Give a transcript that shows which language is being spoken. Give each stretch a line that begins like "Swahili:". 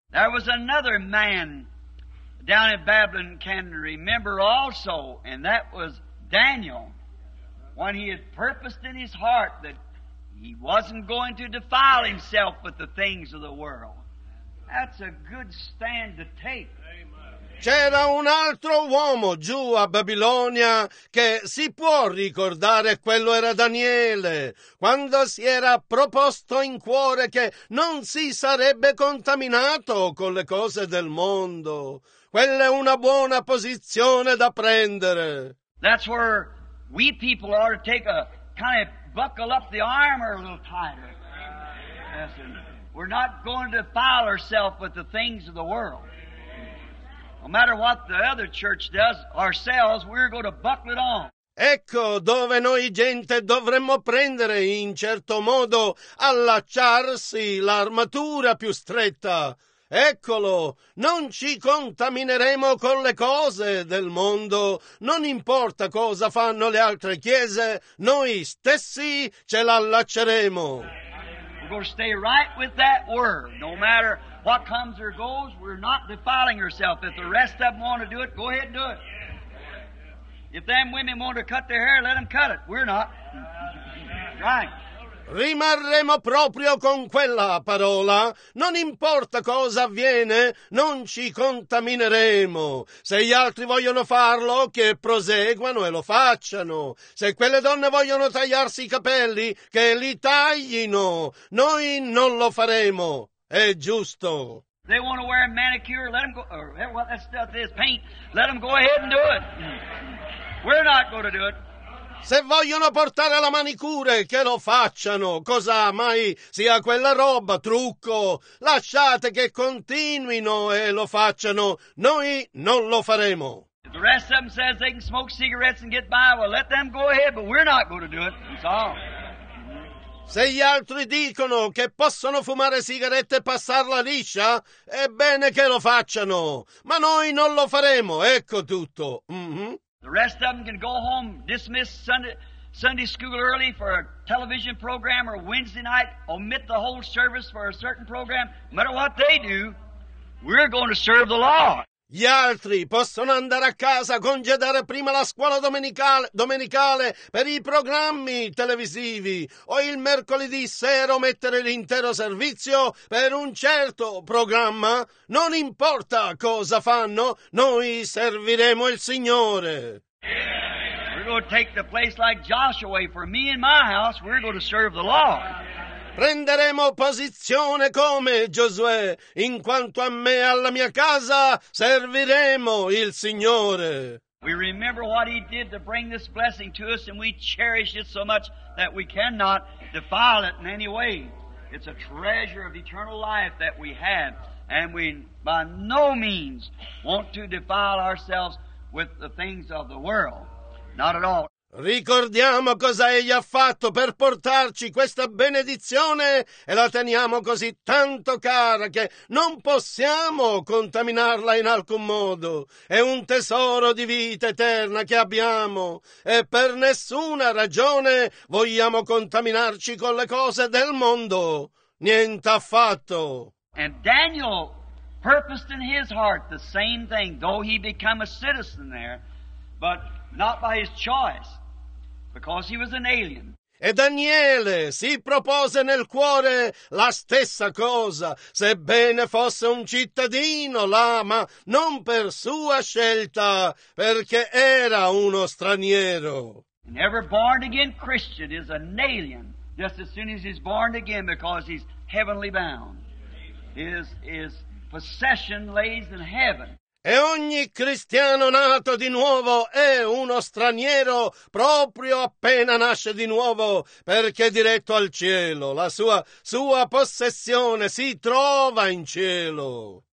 English: There was another man down in Babylon can remember also, and that was Daniel, when he had purposed in his heart that he wasn't going to defile himself with the things of the world. That's a good stand to take.
Italian: C'era un altro uomo giù a Babilonia che si può ricordare, quello era Daniele, quando si era proposto in cuore che non si sarebbe contaminato con le cose del mondo. Quella è una buona posizione da prendere.
English: That's where we people ought to take a kind of buckle up the armor a little tighter. Listen, we're not going to defile ourselves with the things of the world. No matter what the other church does, ourselves, we're going to buckle it on.
Italian: Ecco dove noi gente dovremmo prendere, in certo modo, allacciarsi l'armatura più stretta. Eccolo, non ci contamineremo con le cose del mondo, non importa cosa fanno le altre chiese, noi stessi ce l'allacceremo.
English: We're going to stay right with that word. No matter what comes or goes, we're not defiling ourselves. If the rest of them want to do it, go ahead and do it. If them women want to cut their hair, let them cut it. We're not. Right.
Italian: Rimarremo proprio con quella parola. Non importa cosa avviene, non ci contamineremo. Se gli altri vogliono farlo, che proseguano e lo facciano. Se quelle donne vogliono tagliarsi i capelli, che li taglino. Noi non lo faremo. È giusto.
English: They want to wear a manicure, let them go. Well, that stuff is paint. Let them go ahead and do it. We're not going to do it.
Italian: Se vogliono portare la manicure, che lo facciano. Cosa mai sia quella roba, trucco. Lasciate che continuino e lo facciano. Noi non lo faremo.
English: If the rest of them says they can smoke cigarettes and get by, well, let them go ahead, but we're not going to do it. That's all.
Italian: Se gli altri dicono che possono fumare sigarette e passarla liscia, è bene che lo facciano. Ma noi non lo faremo, ecco tutto. Mm-hmm.
English: The rest of them can go home, dismiss Sunday school early for a television program or Wednesday night, omit the whole service for a certain program. No matter what they do, we're going to serve the Lord.
Italian: Gli altri possono andare a casa, congedare prima la scuola domenicale per i programmi televisivi o il mercoledì sera mettere l'intero servizio per un certo programma. Non importa cosa fanno, noi serviremo il Signore.
English: We're going to take the place like Joshua for me and my house. We're going to serve the Lord.
Italian: Prenderemo posizione come Giosuè, in quanto a me e alla mia casa serviremo il Signore.
English: We remember what he did to bring this blessing to us, and we cherish it so much that we cannot defile it in any way. It's a treasure of eternal life that we have, and we by no means want to defile ourselves with the things of the world. Not at all.
Italian: Ricordiamo cosa egli ha fatto per portarci questa benedizione e la teniamo così tanto cara che non possiamo contaminarla in alcun modo. È un tesoro di vita eterna che abbiamo e per nessuna ragione vogliamo contaminarci con le cose del mondo. Niente affatto.
English: And Daniel purposed in his heart the same thing, though he became a citizen there, but not by his choice. Because he was an alien.
Italian: E Daniele si propose nel cuore la stessa cosa, sebbene fosse un cittadino là, ma non per sua scelta, perché era uno straniero.
English: And every born again Christian is an alien, just as soon as he's born again, because he's heavenly bound. His possession lays in heaven.
Italian: E ogni cristiano nato di nuovo è uno straniero proprio appena nasce di nuovo, perché è diretto al cielo. La sua possessione si trova in cielo.